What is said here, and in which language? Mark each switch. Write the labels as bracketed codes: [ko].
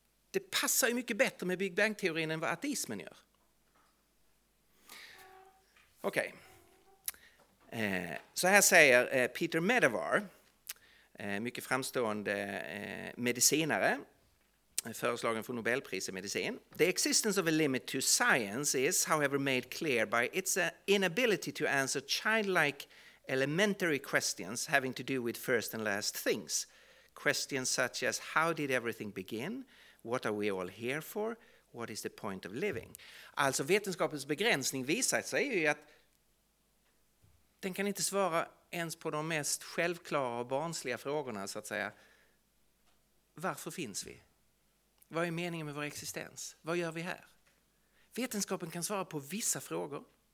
[sv] Det passar ju mycket bättre med Big Bang-teorin än vad ateismen gör. Okej. Så här säger Peter Medavar, mycket framstående medicinare, föreslagen för Nobelpris i medicin. [en] The existence of a limit to science is, however, made clear by its inability to answer childlike elementary questions having to do with first and last things. Questions such as how did everything begin? What are we all here for? What is the point of living? [sv] Alltså vetenskapens begränsning visar sig ju att den kan inte svara ens på de mest självklara och barnsliga frågorna, så att säga. Varför finns vi? Vad är meningen med vår existens? Vad gör vi här? Vetenskapen kan svara på vissa frågor.